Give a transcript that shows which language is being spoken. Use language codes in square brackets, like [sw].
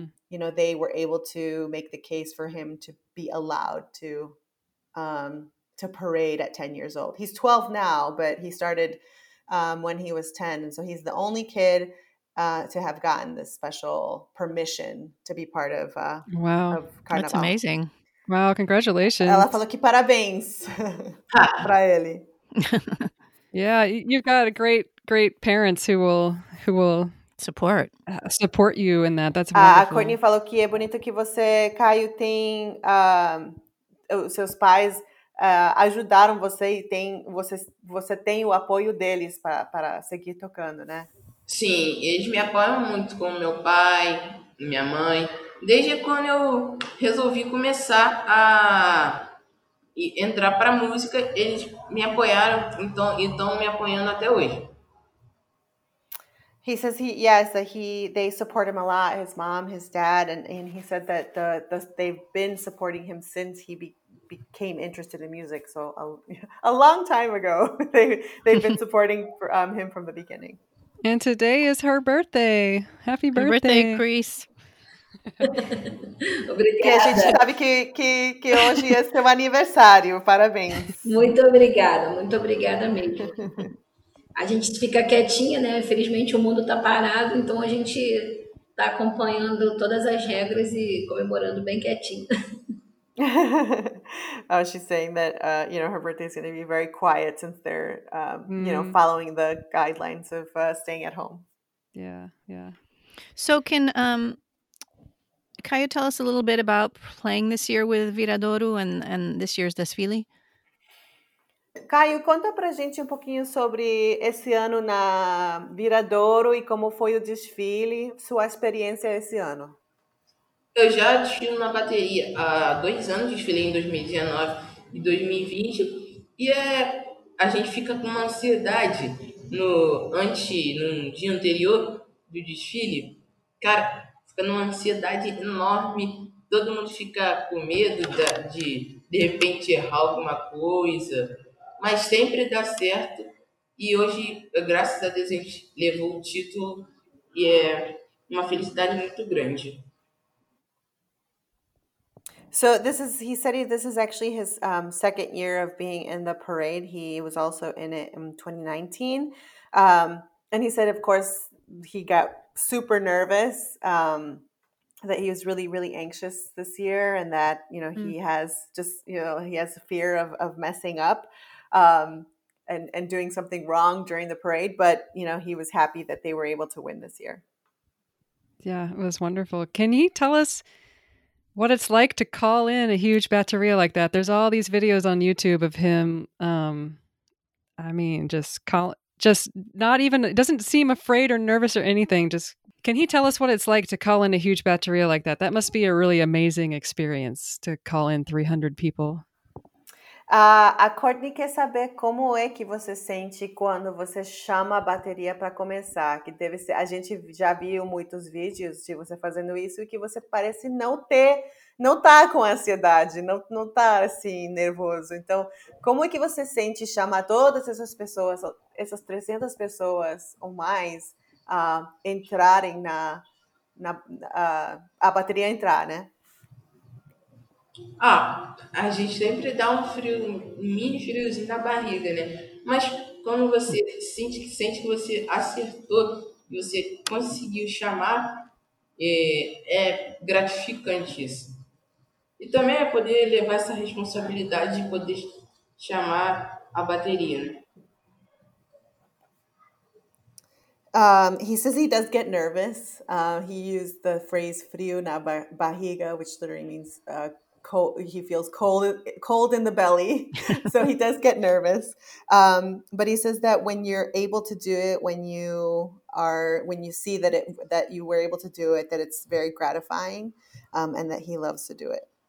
[en] You know, they were able to make the case for him to be allowed to parade at 10 years old. He's 12 now, but he started when he was 10. And so he's the only kid to have gotten this special permission to be part of Wow. of Carnaval. That's amazing. Wow, congratulations. [pt] Ela falou que parabéns para ele. [en] Yeah, you've got a great parents who will support you in that. That's wonderful. [pt] A Courtney falou que é bonito que você, Caio, tem os seus pais ajudaram você e você tem o apoio deles para seguir tocando, né? Sim, eles me apoiam muito, com meu pai, minha mãe, desde quando eu resolvi começar a entrar para música, eles me apoiaram, então estão me apoiando até hoje. [en] He says they support him a lot, his mom, his dad, and he said that they've been supporting him since he became interested in music. So a long time ago, they've been supporting him from the beginning. And today is her birthday. Happy birthday, Chris. [pt] Obrigada. E a gente sabe que hoje é seu aniversário. Parabéns. Muito obrigada mesmo. A gente fica quietinha, né? Felizmente o mundo tá parado, então a gente tá acompanhando todas as regras e comemorando bem quietinho. [en] Oh, she's saying that, you know, her birthday is going to be very quiet since they're, you know, following the guidelines of staying at home. Yeah. So can Caio tell us a little bit about playing this year with Viradouro and this year's desfile? [pt] Caio, conta pra gente um pouquinho sobre esse ano na Viradouro e como foi o desfile, sua experiência esse ano. Eu já desfilo na bateria há 2 anos, desfilei em 2019 e 2020, e a gente fica com uma ansiedade no dia anterior do desfile. Cara, fica numa ansiedade enorme, todo mundo fica com medo de repente errar alguma coisa. Mas sempre dá certo. E hoje, graças a Deus, a gente levou o título. E é uma felicidade muito grande. [en] So this is, he said this is actually his second year of being in the parade. He was also in it in 2019. And he said, of course, he got super nervous. That he was really, really anxious this year. And that, you know, he has just, you know, he has a fear of messing up. And doing something wrong during the parade, but you know, he was happy that they were able to win this year. Yeah, it was wonderful. Can you tell us what it's like to call in a huge bateria like that? There's all these videos on YouTube of him, doesn't seem afraid or nervous or anything. Just, can he tell us what it's like to call in a huge bateria like that? That must be a really amazing experience to call in 300 people. [pt] A Courtney quer saber como é que você sente quando você chama a bateria para começar, que deve ser, a gente já viu muitos vídeos de você fazendo isso e que você parece não tá com ansiedade, não tá assim nervoso. Então, como é que você sente chamar todas essas pessoas, essas 300 pessoas ou mais, entrarem na a bateria entrar, né? A gente sempre dá um frio, um mini friozinho na barriga, né? Mas quando você sente que você acertou e você conseguiu chamar, é gratificante isso. E também é poder levar essa responsabilidade de poder chamar a bateria, né? [en] He says he does get nervous. He used the phrase [pt] frio na barriga, [en] which literally means cold. He feels cold in the belly. So he does get nervous. But he says that when you're able to do it, when you see that you were able to do it, that it's very gratifying, and that he loves to do it.